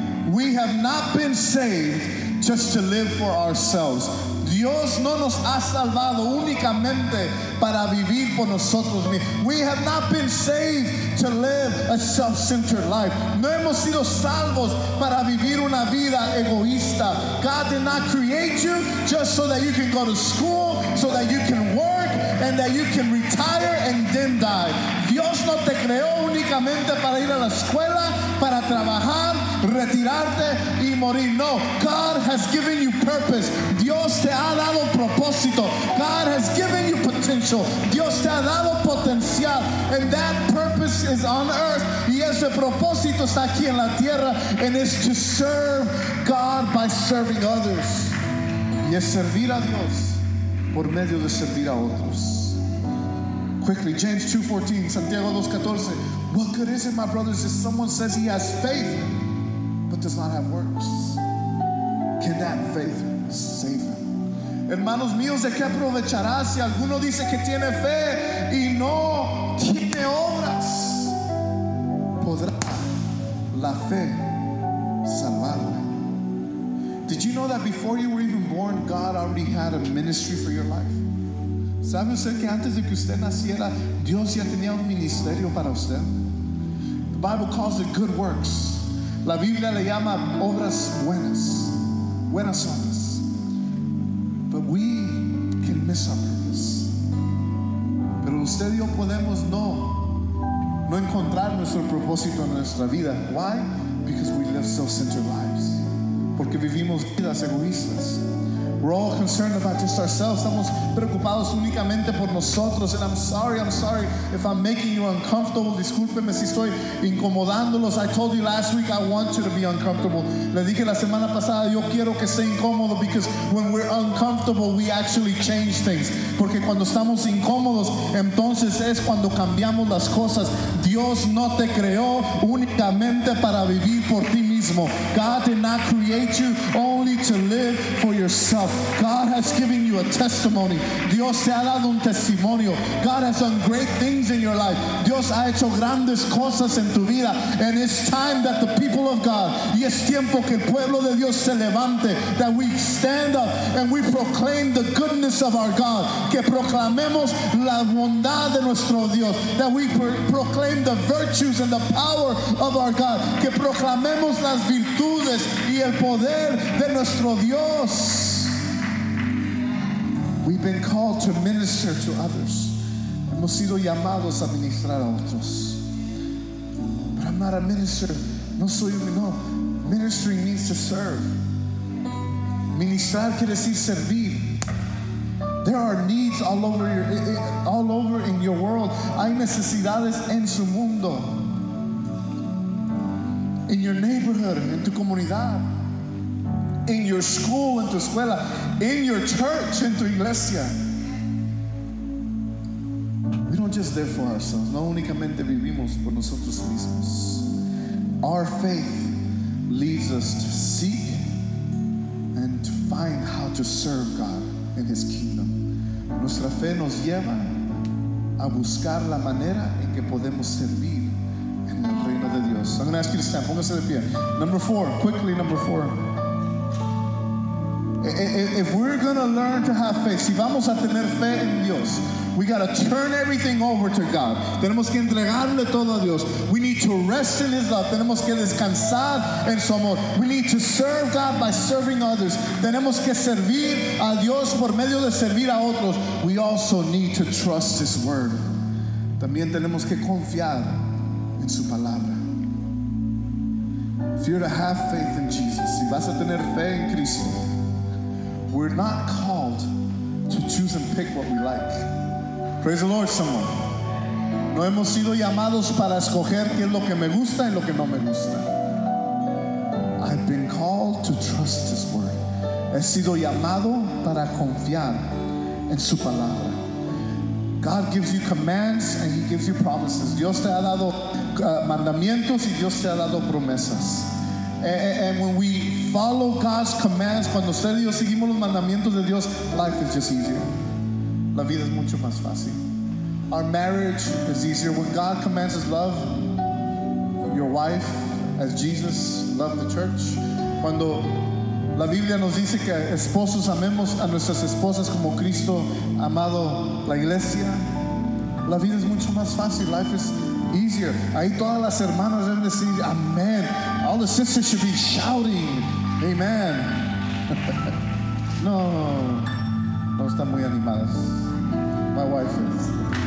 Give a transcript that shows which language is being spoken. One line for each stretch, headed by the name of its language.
English: We have not been saved just to live for ourselves.
Spanish: Dios no nos ha salvado únicamente para vivir por nosotros mismos.
English: We have not been saved to live a self-centered life.
Spanish: No hemos sido salvos para vivir una vida egoísta.
English: God did not create you just so that you can go to school, so that you can work, and that you can retire and then die.
Spanish: Dios no te creó únicamente para ir a la escuela, para trabajar, retirarte y morir.
English: No, God has given you purpose.
Spanish: Dios te ha dado propósito.
English: God has given you potential.
Spanish: Dios te ha dado potencial.
English: And that purpose is on earth.
Spanish: Y ese propósito está aquí en la tierra.
English: And it's to serve God by serving others.
Spanish: Y es servir a Dios por medio de servir a otros.
English: Quickly, James 2:14, Santiago 2:14. What good is it, my brothers, if someone says he has faith but does not have works? Can that faith save him?
Spanish: Hermanos míos, ¿de qué aprovechará si alguno dice que tiene fe y no tiene obras? ¿Podrá la fe salvarle?
English: Did you know that before you were even born, God already had a ministry for your life?
Spanish: ¿Sabe usted que antes de que usted naciera, Dios ya tenía un ministerio para usted?
English: Bible calls it good works.
Spanish: La Biblia le llama obras buenas. Buenas obras.
English: But we can miss our purpose.
Spanish: Pero usted y yo podemos no encontrar nuestro propósito en nuestra vida.
English: Why? Because we live self-centered lives.
Spanish: Porque vivimos vidas egoístas.
English: We're all concerned about just ourselves.
Spanish: Estamos preocupados únicamente por nosotros.
English: And I'm sorry if I'm making you uncomfortable.
Spanish: Discúlpeme si estoy incomodándolos.
English: I told you last week I want you to be uncomfortable.
Spanish: Le dije la semana pasada, yo quiero que esté incómodo,
English: because when we're uncomfortable, we actually change things.
Spanish: Porque cuando estamos incómodos, entonces es cuando cambiamos las cosas. Dios no te creó únicamente para vivir por ti mismo.
English: God did not create you only to live for yourself. God has given you a testimony.
Spanish: Dios te ha dado un testimonio.
English: God has done great things in your life.
Spanish: Dios ha hecho grandes cosas en tu vida.
English: And it's time that the people of God,
Spanish: y es tiempo que el pueblo de Dios se levante,
English: that we stand up and we proclaim the goodness of our God.
Spanish: Que proclamemos la bondad de nuestro Dios.
English: That we proclaim the virtues and the power of our God.
Spanish: Que proclamemos las virtudes y el poder de nuestro Dios.
English: We've been called to minister to others.
Spanish: Hemos sido llamados a ministrar a otros.
English: But I'm not a minister.
Spanish: No soy un no.
English: Ministry means to serve.
Spanish: Ministrar quiere decir servir.
English: There are needs all over in your world.
Spanish: Hay necesidades en su mundo.
English: In your neighborhood,
Spanish: en tu comunidad.
English: In your school,
Spanish: en tu escuela.
English: In your church,
Spanish: en tu iglesia.
English: We don't just live for ourselves.
Spanish: No únicamente vivimos por nosotros mismos.
English: Our faith leads us to seek and to find how to serve God in His kingdom.
Spanish: Nuestra fe nos lleva a buscar la manera en que podemos servir en el reino de Dios.
English: I'm going to ask you to stand.
Spanish: Póngase de pie.
English: Number four. Quickly, number four. If we're going to learn to have faith,
Spanish: si vamos a tener fe en Dios,
English: we got to turn everything over to God.
Spanish: Tenemos que entregarle todo a Dios.
English: We need to rest in His love.
Spanish: Tenemos que descansar en su amor.
English: We need to serve God by serving others.
Spanish: Tenemos que servir a Dios por medio de servir a otros.
English: We also need to trust His word.
Spanish: También tenemos que confiar en su palabra.
English: If you're to have faith in Jesus,
Spanish: si vas a tener fe en Cristo,
English: we're not called to choose and pick what we like. Praise the Lord, someone.
Spanish: No hemos sido llamados para escoger qué es lo que me gusta y lo que no me gusta.
English: I've been called to trust His word.
Spanish: He sido llamado para confiar en su palabra.
English: God gives you commands and He gives you promises.
Spanish: Dios te ha dado mandamientos y Dios te ha dado promesas.
English: And when we follow God's commands,
Spanish: cuando usted y yo seguimos los mandamientos de Dios,
English: life is just easier.
Spanish: La vida es mucho más fácil.
English: Our marriage is easier. When God commands His love, your wife, as Jesus loved the church.
Spanish: Cuando la Biblia nos dice que esposos amemos a nuestras esposas como Cristo amado la iglesia. La vida es mucho más fácil.
English: Life is easier.
Spanish: Ahí todas las hermanas deben decir, amen.
English: All the sisters should be shouting, amen.
Spanish: No están muy animadas.
English: My wife is.